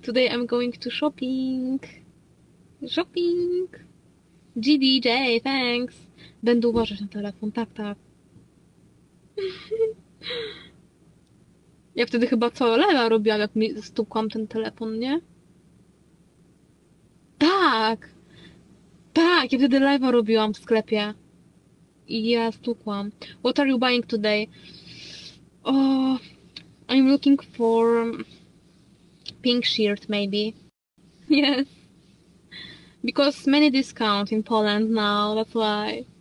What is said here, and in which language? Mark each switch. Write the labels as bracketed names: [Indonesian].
[English] Today I'm going to shopping. Shopping. GDJ, thanks. [Polish] Będę uważać na telefon, tak, tak. Ja wtedy chyba co Lela robiła, jak mi stukłam ten telefon, nie? Tak! Tak, ja wtedy live'a robiłam w sklepie. I ja stukłam. [English] What are you buying today? Oh, I'm looking for pink shirt, maybe. Yes. Because many discount in Poland now, that's why.